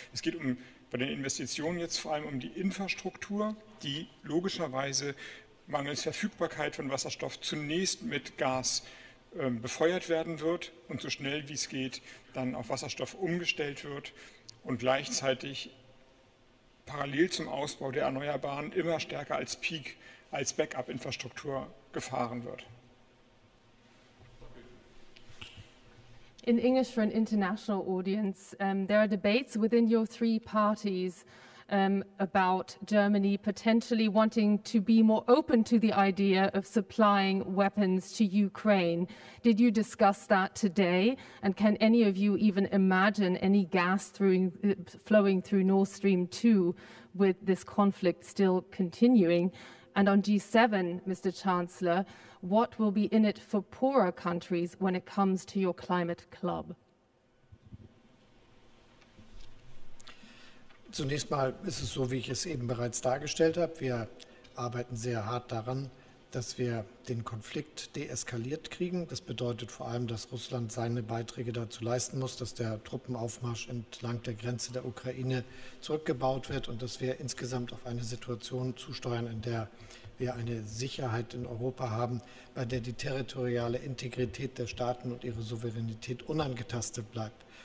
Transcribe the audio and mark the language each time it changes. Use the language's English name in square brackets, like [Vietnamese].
[German] Es geht um bei den Investitionen jetzt vor allem um die Infrastruktur, die logischerweise mangels Verfügbarkeit von Wasserstoff zunächst mit Gas befeuert werden wird und so schnell wie es geht dann auf Wasserstoff umgestellt wird und gleichzeitig parallel zum Ausbau der Erneuerbaren immer stärker als Peak, als Backup-Infrastruktur gefahren wird. [English] In English for an international audience, there are debates within your three parties about Germany potentially wanting to be more open to the idea of supplying weapons to Ukraine. Did you discuss that today? And can any of you even imagine any gas flowing through Nord Stream 2 with this conflict still continuing? And on G7, Mr. Chancellor, what will be in it for poorer countries when it comes to your climate club? [German] Zunächst mal ist es so, wie ich es eben bereits dargestellt habe. Wir arbeiten sehr hart daran, dass wir den Konflikt deeskaliert kriegen. Das bedeutet vor allem, dass Russland seine Beiträge dazu leisten muss, dass der Truppenaufmarsch entlang der Grenze der Ukraine zurückgebaut wird und dass wir insgesamt auf eine Situation zusteuern, in der wir eine Sicherheit in Europa haben, bei der die territoriale Integrität der Staaten und ihre Souveränität unangetastet bleibt.